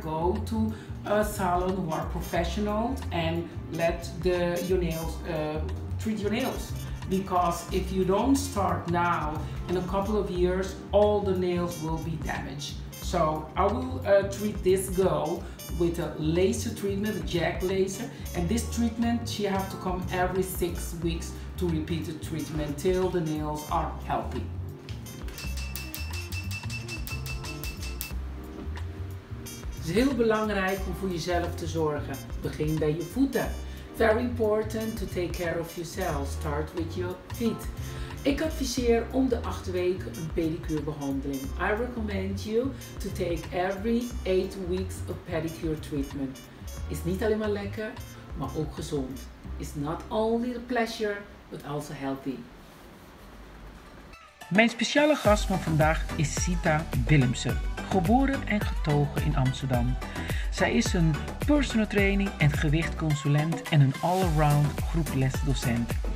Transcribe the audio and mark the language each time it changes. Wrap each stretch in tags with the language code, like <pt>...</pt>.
<en>Go to a salon who are professional and let your nails treat your nails, because if you don't start now, in a couple of years all the nails will be damaged. So I will treat this girl with a laser treatment, a jack laser, and this treatment, she have to come every 6 weeks to repeat the treatment till the nails are healthy.</en> <nl>Het is heel belangrijk om voor jezelf te zorgen. Begin bij je voeten.</nl> <en>Very important to take care of yourself. Start with your feet.</en> <nl>Ik adviseer om de 8 weken een pedicure behandeling.</nl> <en>I recommend you to take every 8 weeks a pedicure treatment.</en> <nl>Is niet alleen maar lekker, maar ook gezond.</nl> <en>Is not only the pleasure, but also healthy.</en> <nl>Mijn speciale gast van vandaag is Sita Willemsen, geboren en getogen in Amsterdam. Zij is een personal training en gewichtconsulent en een all-around groeplesdocent.</nl>